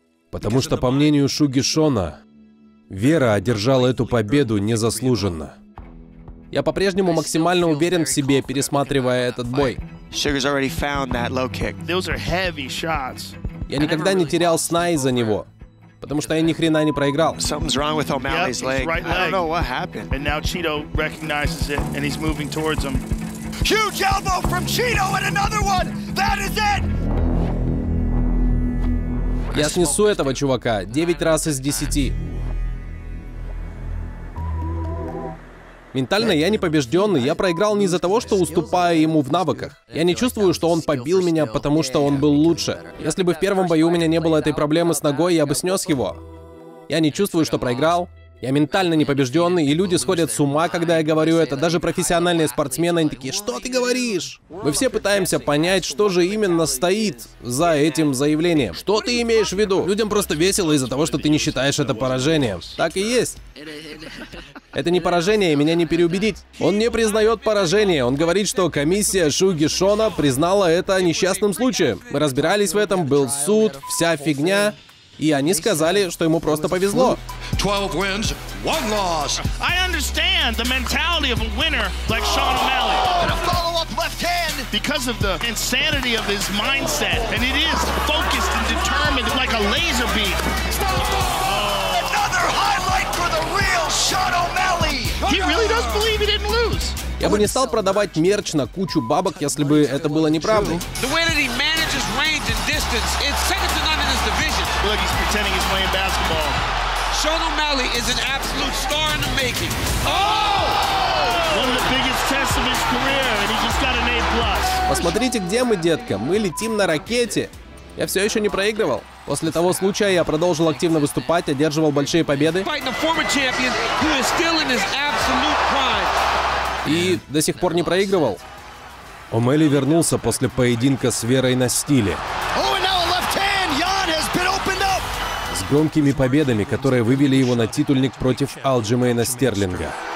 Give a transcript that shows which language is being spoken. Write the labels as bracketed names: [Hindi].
[Russian] Потому что, по мнению Шуги Шона, Вера одержала эту победу незаслуженно. Я по-прежнему максимально уверен в себе, пересматривая этот бой. [English] Sugar's already found that low kick. Those are heavy shots. [Russian] Я никогда не терял сна из-за него, потому что я ни хрена не проиграл. [English] Something's wrong with O'Malley's leg. Yep, right leg. I don't know what happened. And now Cheeto recognizes it, and he's moving towards him. Huge elbow from Cheeto, and another one. That is it. [Russian] Я снесу этого чувака 9 раз из 10. Ментально я не побежденный, я проиграл не из-за того, что уступаю ему в навыках. Я не чувствую, что он побил меня, потому что он был лучше. Если бы в первом бою у меня не было этой проблемы с ногой, я бы снес его. Я не чувствую, что проиграл. Я ментально непобежденный, и люди сходят с ума, когда я говорю это. Даже профессиональные спортсмены, они такие: «Что ты говоришь?» Мы все пытаемся понять, что же именно стоит за этим заявлением. Что ты имеешь в виду? Людям просто весело из-за того, что ты не считаешь это поражением. Так и есть. Это не поражение, меня не переубедить. Он не признает поражение. Он говорит, что комиссия Шуги Шона признала это несчастным случаем. Мы разбирались в этом, был суд, вся фигня. И они сказали, что ему просто повезло. [English] 12 wins, one loss. I understand the mentality of a winner like Sean O'Malley. And a follow-up left hand. Because of the insanity of his mindset. And it is focused and determined like a laser beam. Another highlight for the real Sean O'Malley. He really does believe he didn't lose. [Russian] Я бы не стал продавать мерч на кучу бабок, если бы это было неправдой. [English] The way that he manages range and distance, it's second to none in his division. Look, he's pretending he's playing basketball. Sean O'Malley is an absolute star in the making. Oh! One of the biggest tests of his career, and he just got an A+. [Russian] Посмотрите, где мы, детка. Мы летим на ракете. Я все еще не проигрывал. После того случая я продолжил активно выступать, одерживал большие победы. [English] Fighting a former champion who is still in his absolute prime. [Russian] И до сих пор не проигрывал. О'Малли вернулся после поединка с Верой на стиле. С громкими победами, которые вывели его на титульник против Алджимейна Стерлинга.